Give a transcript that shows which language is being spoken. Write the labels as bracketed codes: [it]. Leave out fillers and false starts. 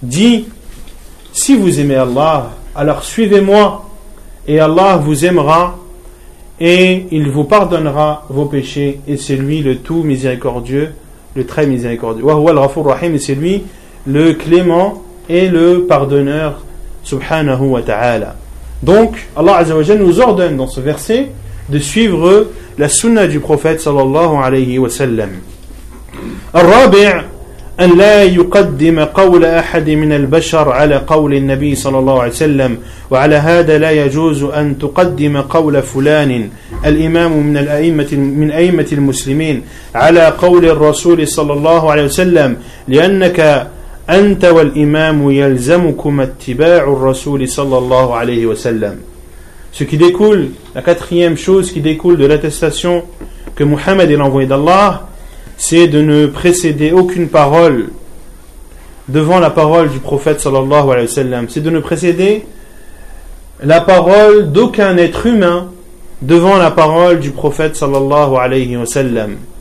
[fr] Dis, si vous aimez Allah, alors suivez-moi et Allah vous aimera et il vous pardonnera vos péchés et c'est lui le tout miséricordieux, le très miséricordieux. [ar] وَهُوَ الْغَفُورُ الرَّحِيمُ, [fr] et c'est lui le clément et le pardonneur subhanahu wa ta'ala. Donc Allah Azza wa Jalla nous ordonne dans ce verset de suivre la sunna du prophète sallallahu alayhi wa sallam. [ar] الرابع أن لا يقدم قول أحد من البشر على قول النبي صلى الله عليه وسلم وعلى هذا لا يجوز أن تقدم قول فلان الإمام من الأئمة من أئمة المسلمين على قول الرسول صلى الله عليه وسلم لأنك أنت والإمام يلزمكم اتباع الرسول صلى الله عليه وسلم. [fr] Ce qui découle, la quatrième chose qui découle de l'attestation que Muhammad est l'envoyé d'Allah, c'est de ne précéder aucune parole devant la parole du prophète sallallahu alayhi wa sallam. C'est de ne précéder la parole d'aucun être humain devant la parole du prophète sallallahu alayhi wa sallam.